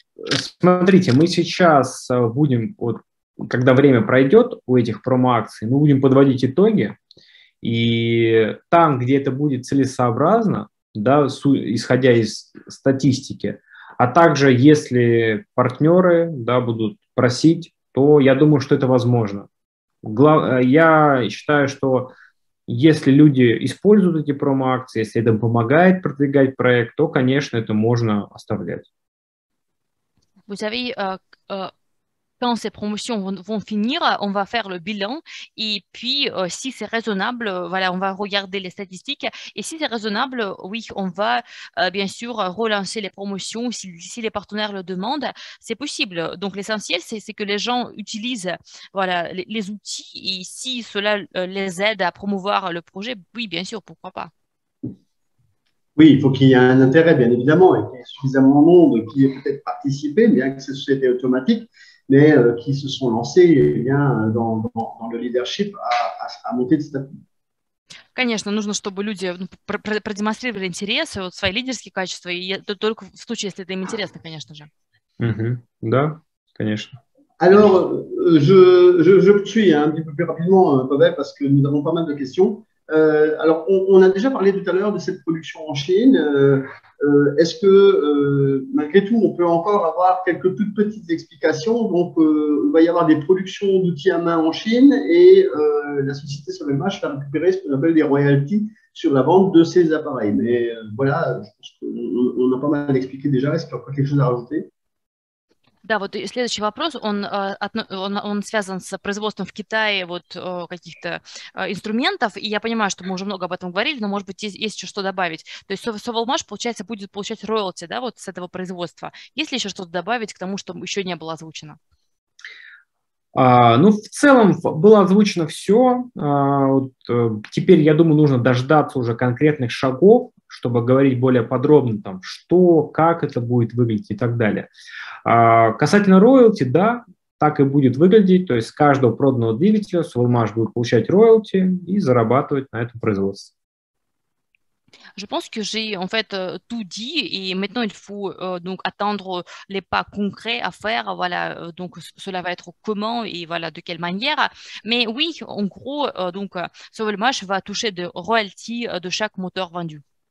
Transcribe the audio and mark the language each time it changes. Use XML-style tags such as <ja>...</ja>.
<ru>Смотрите, мы сейчас будем, вот, когда время пройдет у этих промо-акций, мы будем подводить итоги, и там, где это будет целесообразно, да, исходя из статистики, а также если партнеры, да, будут просить, то я думаю, что это возможно. Я считаю, что если люди используют эти промо-акции, если это помогает продвигать проект, то, конечно, это можно оставлять.</ru> <fr>Quand ces promotions vont finir, on va faire le bilan et puis si c'est raisonnable, voilà, on va regarder les statistiques et si c'est raisonnable, oui, on va bien sûr relancer les promotions si les partenaires le demandent, c'est possible. Donc l'essentiel, c'est que les gens utilisent voilà, les outils et si cela les aide à promouvoir le projet, oui, bien sûr, pourquoi pas. Oui, il faut qu'il y ait un intérêt, bien évidemment, et qu'il y ait suffisamment de monde qui ait peut-être participé, bien que ce soit automatique, mais qui se sont lancés bien, dans le leadership à monter de statut.</fr> <ru>Конечно, нужно, чтобы люди продемонстрировали интерес, вот, свои лидерские качества, и это только в случае, если это им интересно, конечно же. Да, конечно.</ru> <fr>Alors, je poursuis un petit peu plus rapidement, Pavel, parce que nous avons pas mal de questions. Alors, on a déjà parlé tout à l'heure de cette production en Chine. Est-ce que, malgré tout, on peut encore avoir quelques toutes petites explications? Donc, il va y avoir des productions d'outils à main en Chine et la société SolarEdge va récupérer ce qu'on appelle des royalties sur la vente de ces appareils. Mais voilà, je pense qu'on a pas mal expliqué déjà. Est-ce qu'il y a encore quelque chose à rajouter?</fr> <ru>Да, вот следующий вопрос, он связан с производством в Китае вот каких-то инструментов, и я понимаю, что мы уже много об этом говорили, но, может быть, есть еще что добавить. То есть Solmash, получается, будет получать роялти, да, вот с этого производства. Есть ли еще что-то добавить к тому, что еще не было озвучено? Ну, в целом было озвучено все. Теперь, я думаю, нужно дождаться уже конкретных шагов, чтобы говорить более подробно, там, что, как это будет выглядеть и так далее. Касательно роялти, да, так и будет выглядеть. То есть с каждого проданного двигателя Solmash будет получать роялти и зарабатывать на этом производстве.</ru> <fr>Je pense que j'ai en fait tout dit et maintenant il faut donc attendre les pas concrets à faire. Voilà, donc cela va être comment et voilà de quelle manière. Mais oui, en gros, donc Solmash va toucher des royalties de chaque moteur vendu.</fr>